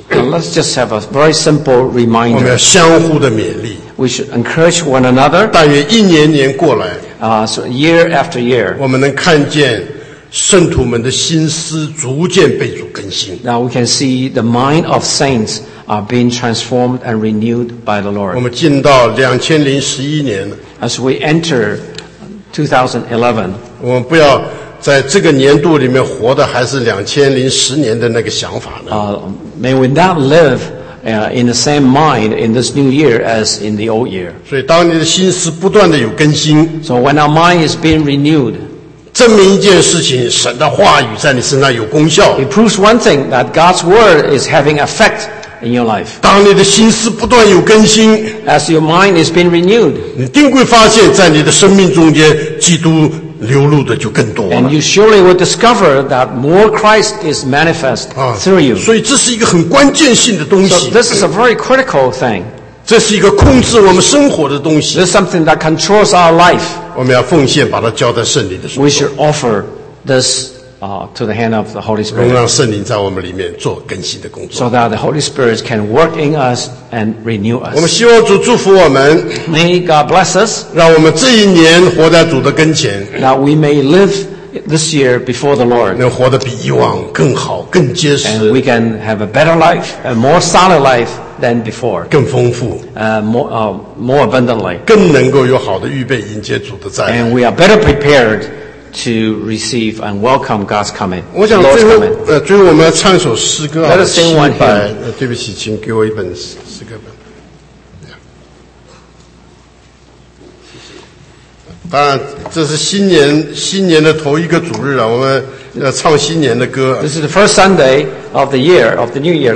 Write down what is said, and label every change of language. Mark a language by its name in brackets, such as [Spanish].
[English] Let's just have a very simple reminder. [Chinese] 我们要相互的勉励。 [English] We should encourage one another. [Chinese] 但愿一年年过来。 [English] So year after year. [Chinese] 我们能看见圣徒们的心思逐渐被主更新。 [English] Now we can see the mind of saints. Are being transformed and renewed by the Lord. [Chinese] 我们进到2011年。 [English] As we enter 2011, [Chinese] 我们不要在这个年度里面活的还是2010年的那个想法呢。 [English] May we not live in the same mind in this new year as in the old year. [Chinese] 所以当你的心思不断的有更新。 [English] So when our mind is being renewed. [Chinese] 证明一件事情，神的话语在你身上有功效。 [English] It proves one thing that God's word is having effect. in your life. [Chinese] 当你的心思不断有更新， [English] as your mind is being renewed, [Chinese] 你定会发现在你的生命中间基督流露的就更多了。 [English] And you surely will discover that more Christ is manifest through you. [Chinese] 所以这是一个很关键性的东西。 [English] So this is a very critical thing. [Chinese] 这是一个控制我们生活的东西。 [English] This is something that controls our life. [Chinese] 我们要奉献把它交在圣灵的手中。 [English] We should offer this to the hand of the Holy Spirit. [Chinese] 让圣灵在我们里面做更新的工作。 [English] So that the Holy Spirit can work in us and renew us. [Chinese] 我们希望主祝福我们。 [English] May God bless us. [Chinese] 让我们这一年活在主的跟前。 [English] That we may live this year before the Lord. [Chinese] 能活得比以往更好，更结实。 [English] And we can have a better life, a more solid life than before. [Chinese] 更丰富。 [English] More abundantly. [Chinese] 更能够有好的预备迎接主的再来。 [English] And we are better prepared. To receive and welcome God's coming. [Chinese] 我想最后，最后我们要唱一首诗歌啊。 [English] Let us sing one hymn. [Chinese] 对不起，请给我一本诗歌本。当然，这是新年的头一个主日了，我们要唱新年的歌。 [English] This is the first Sunday of the year of the new year.